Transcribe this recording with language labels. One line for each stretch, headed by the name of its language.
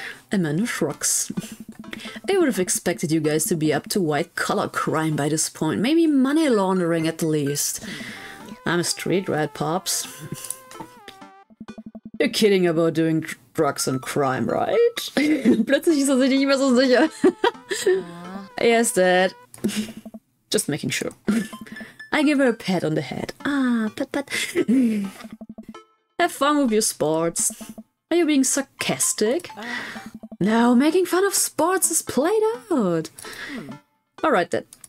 English: Amanda shrugs. I would have expected you guys to be up to white collar crime by this point. Maybe money laundering at the least. I'm a street rat, Pops. You're kidding about doing drugs and crime, right?
German: Plötzlich ist er sich nicht mehr so sicher.
English: Yes, Dad. Just making sure. I give her a pat on the head. Ah, pat pat. Have fun with your sports. Are you being sarcastic? No, making fun of sports is played out. Alright then.